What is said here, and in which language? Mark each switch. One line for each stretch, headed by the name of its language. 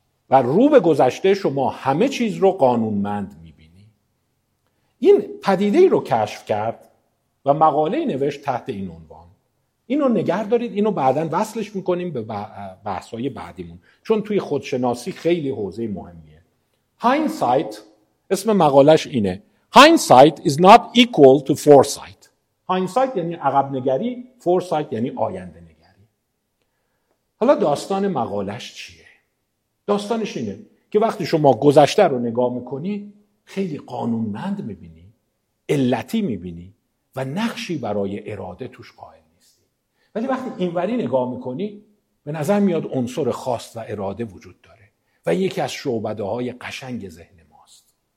Persian: و رو به گذشته شما همه چیز رو قانونمند میبینی. این پدیده ای رو کشف کرد و مقاله نوشت تحت این عنوان. اینو نگه دارید، اینو بعداً وصلش میکنیم به بحث‌های بعدیمون، چون توی خودشناسی خیلی حوزه مهمیه.
English: Hindsight،
Persian: اسم مقالهش اینه،
English: Hindsight is not equal to foresight.
Persian: Hindsight یعنی عقب نگری، foresight یعنی آینده نگری. حالا داستان مقالهش چیه؟ داستانش اینه که وقتی شما گذشته رو نگاه میکنی خیلی قانونمند میبینی، علتی میبینی و نقشی برای اراده توش قائل نیستی، ولی وقتی اینوری نگاه میکنی به نظر میاد عنصر خاص و اراده وجود داره و یکی از شعبده های قشنگ ذهن ماست.